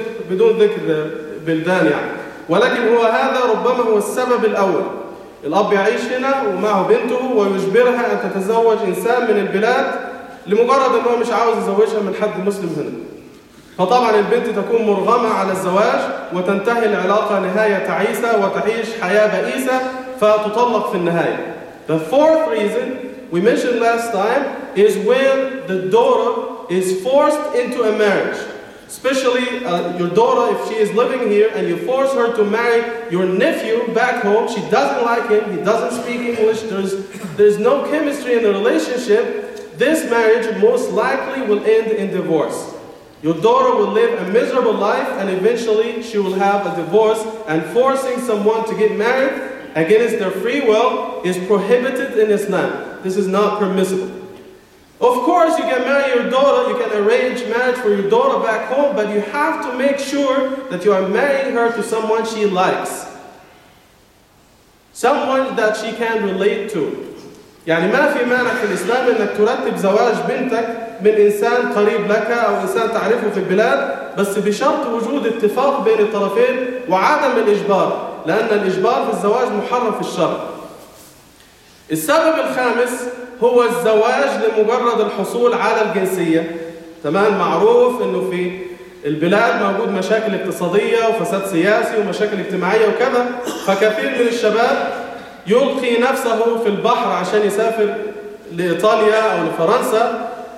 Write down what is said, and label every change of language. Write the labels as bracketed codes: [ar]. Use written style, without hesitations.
[ar] بدون ذكر بلدان يعني ولكن هو هذا ربما هو السبب الأول الأب يعيش هنا ومعه بنته ويجبرها أن تتزوج إنسان من البلاد لمجرد أنه مش عاوز يزوجها من حد مسلم هنا فطبعا البنت تكون مرغمة على الزواج وتنتهي العلاقة نهاية تعيسة وتعيش حياة بائسة فتطلق في النهاية. [en] The fourth reason we mentioned last time is when the daughter is forced into a marriage. Especially your daughter if she is living here and you force her to marry your nephew back home. She doesn't like him, he doesn't speak English, there's no chemistry in the relationship. This marriage most likely will end in divorce. Your daughter will live a miserable life and eventually she will have a divorce and forcing someone to get married against their free will is prohibited in Islam. This is not permissible. Of course, you can marry your daughter, you can arrange marriage for your daughter back home, but you have to make sure that you are marrying her to someone she likes. Someone that she can relate to. [ar] يعني ما في مانع في الإسلام إنك ترتب زواج بنتك من إنسان قريب لك أو إنسان تعرفه في البلاد بس بشرط وجود اتفاق بين الطرفين وعدم الإجبار لأن الإجبار في الزواج محرم في الشرع. السبب الخامس هو الزواج لمجرد الحصول على الجنسية تمام معروف إنه في البلاد موجود مشاكل اقتصادية وفساد سياسي ومشاكل اجتماعية وكذا فكثير من الشباب يلقي نفسه في البحر عشان يسافر لإيطاليا أو لفرنسا